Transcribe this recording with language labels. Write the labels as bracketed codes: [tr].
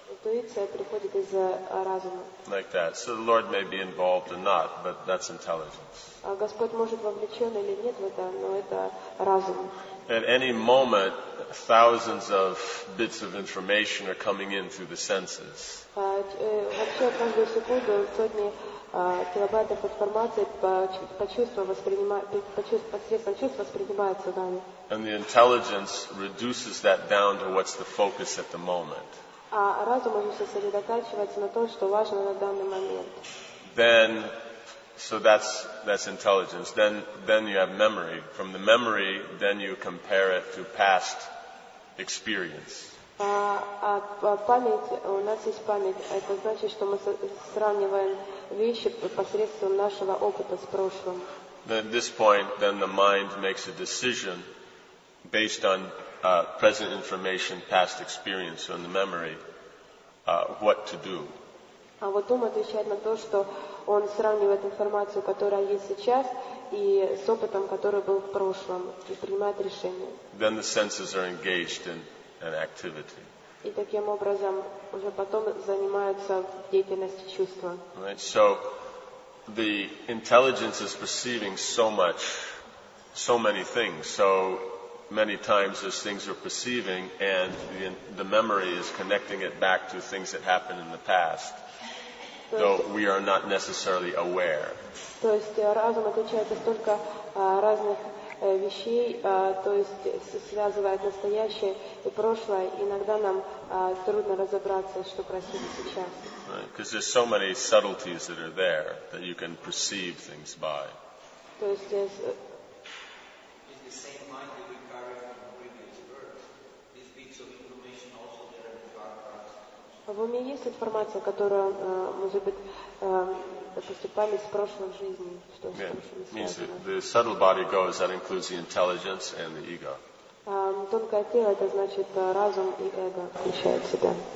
[ru] Интуиция приходит из разума. [en] Like that. So the Lord may be involved or not, but that's intelligence. [ru] Господь может вовлечен или нет в это, но это разум. [en] At any moment, thousands of bits of information are coming in through the senses. [ru] Вообще каждую секунду сотни килобайтов информации посредством чувств воспринимается нами. [en] And the intelligence reduces that down to what's the focus at the moment. [ru] А разум уже сосредотачивается на том, что важно на данный момент. [en] Then, so that's intelligence. Then you have memory. From the memory, then you compare it to past experience. [ru] Память, у нас есть память. Это значит, что мы сравниваем вещи посредством нашего опыта с прошлым. [en] Then at this point, then the mind makes a decision based on present information, past experience, and the memory, what to do. [ru] А вот ум отвечает на то, что он сравнивает информацию, которая есть сейчас, и с опытом, который был в прошлом, и принимает решение. [en] Then the senses are engaged in an activity. [ru] И таким образом уже потом занимаются деятельностью чувства. [en] Right. So the intelligence is perceiving so much, so many things. So many times those things are perceiving, and the memory is connecting it back to things that happened in the past. Though we are not necessarily aware. [ru] То есть разум отвечает за столько разных вещей, то есть связывает настоящее и прошлое. Иногда нам трудно разобраться, что происходит сейчас. [en] Because there's so many subtleties that are there that you can perceive things by. [ru] То есть [en] is the same mind that we carry from previous birth. These bits of information also there in the [ru] dark. В уме есть информация, которая может быть допустим, память с прошлой жизни, что с прошлыми связано. [en] Means the subtle body goes, that includes the intelligence and the ego. [ru] Тонкое тело, это значит разум и эго включает себя.